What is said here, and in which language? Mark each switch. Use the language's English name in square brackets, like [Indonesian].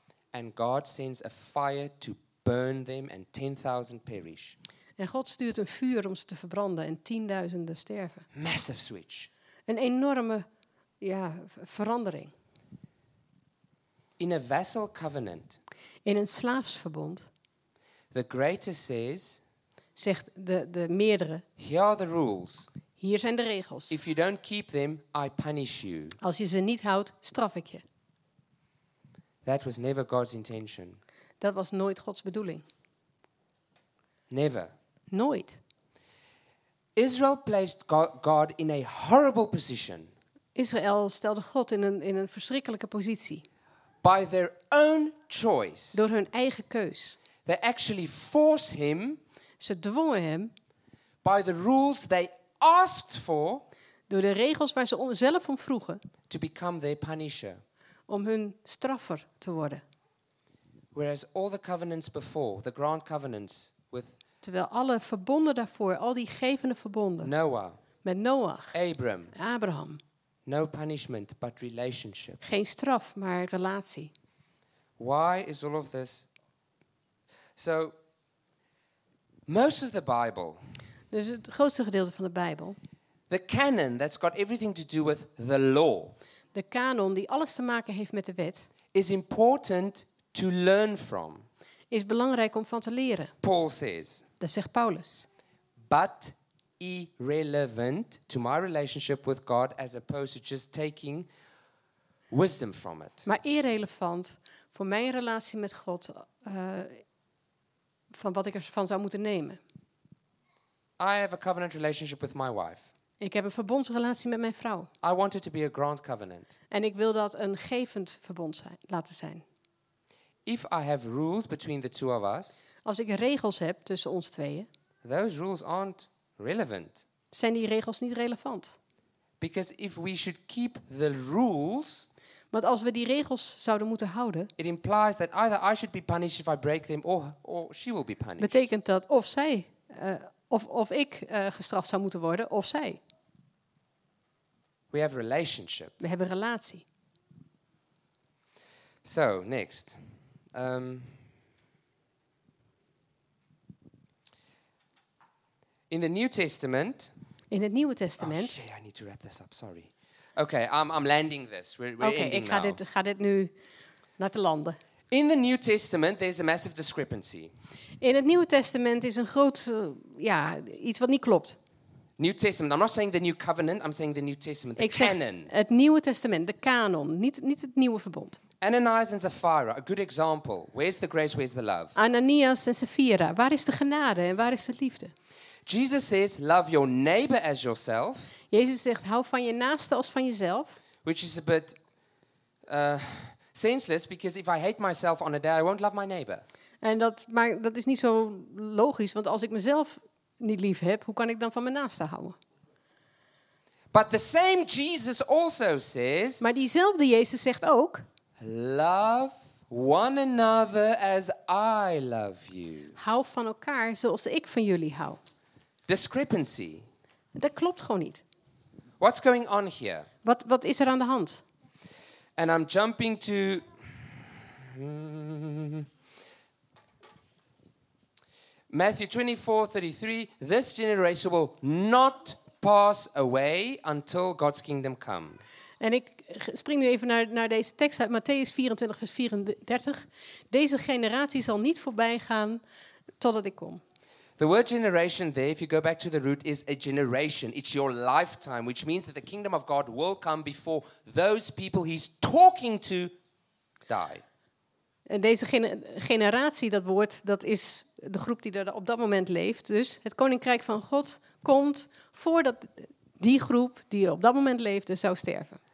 [English] And God sends a fire to burn them and 10,000 perish. [Dutch] En God stuurt een vuur om ze te verbranden en 10,000 sterven. [English] Massive switch. [Dutch] Een enorme verandering. [English] In a vassal covenant. [Dutch] In een slaafsverbond. [English] The greater says. [Dutch] Zegt de meerdere. [English] Here are the rules. [Dutch] Hier zijn de regels. [English] If you don't keep them, I punish you. [Dutch] Als je ze niet houdt, straf ik je. [English] That was never God's intention. [Dutch] Dat was nooit Gods bedoeling. [English] Never. [Dutch] Nooit. [English] Israel placed God in a horrible position. [Dutch] Israël stelde God in een verschrikkelijke positie. [English] By their own choice. [Dutch] Door hun eigen keus. [English] They actually forced him. [Dutch] Ze dwongen hem. [English] By the rules they asked for, [Dutch] door de regels waar ze zelf om vroegen, [English] to become their punisher, [Dutch] om hun straffer te worden. [English] Whereas all the covenants before, the grand covenants with, [Dutch] terwijl alle verbonden daarvoor, al die gevende verbonden, [English] Noah, [Dutch] met Noach, [English] Abraham, no punishment but relationship, [Dutch] geen straf maar relatie. [English] Why is all of this? So most of the Bible, [Dutch] dus het grootste gedeelte van de Bijbel, [English] the canon that's got everything to do with the law, [Dutch] de kanon die alles te maken heeft met de wet, [English] is important to learn from, [Dutch] is belangrijk om van te leren. [English] Paul says, [Dutch] dat zegt Paulus, [English] but irrelevant to my relationship with God, as opposed to just taking wisdom from it. [Dutch] Maar irrelevant voor mijn relatie met God, van wat ik ervan zou moeten nemen. [English] I have a covenant relationship with my wife. [Dutch] Ik heb een verbondsrelatie met mijn vrouw. [English] I want it to be a grand covenant. [Dutch] En ik wil dat een gevend verbond zijn, laten zijn. [English] If I have rules between the two of us, [Dutch] als ik regels heb tussen ons tweeën, [English] those rules aren't relevant. [Dutch] Zijn die regels niet relevant? [English] Because if we should keep the rules, [Dutch] want als we die regels zouden moeten houden, [English] it implies that either I should be punished if I break them, or she will be punished. [Dutch] Betekent dat of zij, of ik gestraft zou moeten worden, of zij? [English] We have relationship. [Dutch] We hebben relatie. [English] So next. In the New Testament. [Dutch] In het Nieuwe Testament. [English] Oh, shit, I need to wrap this up. Sorry. Okay, I'm landing this. We're ending now. [Dutch] Okay, ik ga dit nu laten landen. [English] In the New Testament, there's a massive discrepancy. [Dutch] In het Nieuwe Testament is een groot, iets wat niet klopt. [English] New Testament. I'm not saying the New Covenant. I'm saying the New Testament, the [Dutch] ik zeg [English] canon. [Dutch] Het Nieuwe Testament, de kanon, niet het nieuwe verbond. [English] Ananias and Sapphira, a good example. Where's the grace? Where's the love? [Dutch] Ananias en Sapphira, waar is de genade en waar is de liefde? [English] Jesus says, love your neighbor as yourself. [Dutch] Jezus zegt, hou van je naaste als van jezelf. [English] Which is a bit senseless, because if I hate myself on a day, I won't love my neighbor. [Dutch] En dat is niet zo logisch, want als ik mezelf niet lief heb, hoe kan ik dan van mijn naaste houden? [English] But the same Jesus also says, [Dutch] maar diezelfde Jezus zegt ook, [English] love one another as I love you. [Dutch] Hou van elkaar zoals ik van jullie hou. [English] Discrepancy. [Dutch] Dat klopt gewoon niet. [English] What's going on here? [Dutch] Wat is er aan de hand? [English] And I'm jumping to Matthew 24:33. This generation will not pass away until God's kingdom come. [Dutch] En ik spring nu even naar deze tekst uit Matthäus 24, vers 34. Deze generatie zal niet voorbij gaan totdat ik kom. [English] The word generation there, if you go back to the root, is a generation. It's your lifetime, which means that the kingdom of God will come before those people he's talking to die. [Dutch] En deze generatie, dat woord, dat is de groep die er op dat moment leeft. Dus het koninkrijk van God komt voordat die groep die er op dat moment leefde zou sterven.